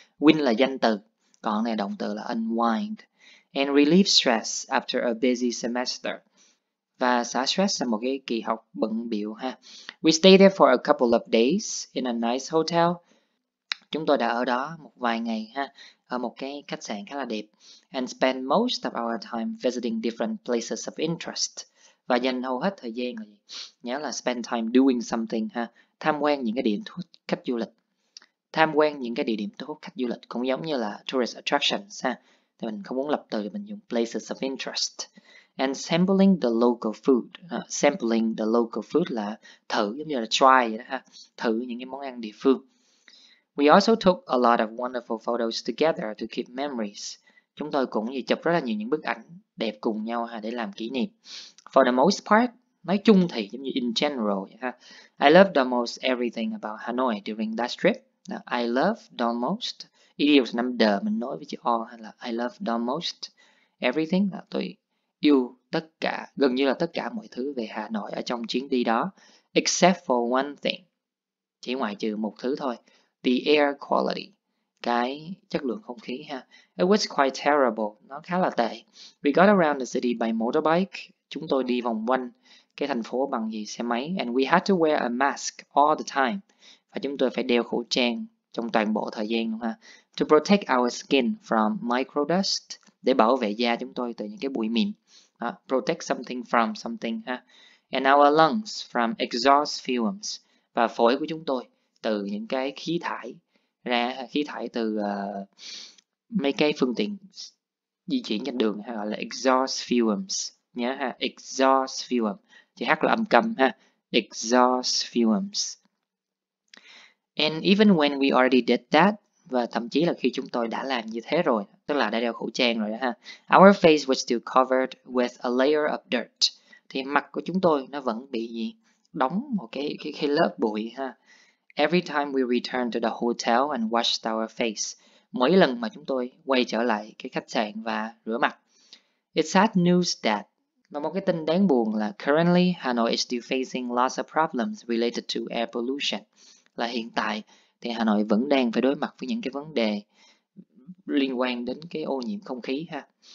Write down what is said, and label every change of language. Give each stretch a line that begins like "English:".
Vietnamese: Win là danh từ, còn này động từ là unwind.
English: And relieve stress after a busy semester.
Vietnamese: Và xả stress sau một cái kỳ học bận bịu ha.
English: We stay there for a couple of days in a nice hotel.
Vietnamese: Chúng tôi đã ở đó một vài ngày ha, ở một cái khách sạn khá là đẹp.
English: And spend most of our time visiting different places of interest.
Vietnamese: Và dành hầu hết thời gian là gì? Nhớ là
English: spend time doing something
Vietnamese: ha, tham quan những cái điểm thu hút khách du lịch. Tham quan những cái địa điểm thu hút khách du lịch cũng giống như là tourist attractions ha. Thì mình không muốn lập từ thì mình dùng places of interest.
English: And sampling the local food. Sampling the local food
Vietnamese: là thử, giống như là try vậy đó ha, thử những cái món ăn địa phương.
English: We also took a lot of wonderful photos together to keep memories.
Vietnamese: Chúng tôi cũng gì chụp rất là nhiều những bức ảnh đẹp cùng nhau ha, để làm kỷ niệm.
English: For the most part,
Vietnamese: nói chung thì giống như in general ha.
English: I loved almost everything about Hanoi during that trip. I loved almost.
Vietnamese: Idioms năm the, mình nói với chữ all hay là
English: I loved almost everything.
Vietnamese: Tôi yêu tất cả, gần như là tất cả mọi thứ về Hà Nội ở trong chuyến đi đó.
English: Except for one thing.
Vietnamese: Chỉ ngoại trừ một thứ thôi.
English: The air quality.
Vietnamese: Cái chất lượng không khí ha.
English: It was quite terrible.
Vietnamese: Nó khá là tệ.
English: We got around the city by motorbike.
Vietnamese: Chúng tôi đi vòng quanh cái thành phố bằng gì xe máy.
English: And we had to wear a mask all the time.
Vietnamese: Và chúng tôi phải đeo khẩu trang trong toàn bộ thời gian luôn ha.
English: To protect our skin from microdust.
Vietnamese: Để bảo vệ da chúng tôi từ những cái bụi mịn. Đó.
English: Protect something from something
Vietnamese: ha.
English: And our lungs from exhaust fumes.
Vietnamese: Và phổi của chúng tôi từ những cái khí thải ra, khí thải từ mấy cái phương tiện di chuyển trên đường ha, gọi là exhaust fumes. Nhớ ha, exhaust fumes. Chữ H là âm câm ha, exhaust fumes.
English: And even when we already did that,
Vietnamese: và thậm chí là khi chúng tôi đã làm như thế rồi, tức là đã đeo khẩu trang rồi đó ha,
English: our face was still covered with a layer of dirt.
Vietnamese: Thì mặt của chúng tôi nó vẫn bị gì? Đóng một cái lớp bụi ha.
English: Every time we return to the hotel and wash our face.
Vietnamese: Mỗi lần mà chúng tôi quay trở lại cái khách sạn và rửa mặt.
English: It's sad news that.
Vietnamese: Mà một cái tin đáng buồn là
English: currently Hanoi is still facing lots of problems related to air pollution.
Vietnamese: Là hiện tại thì Hà Nội vẫn đang phải đối mặt với những cái vấn đề liên quan đến cái ô nhiễm không khí ha.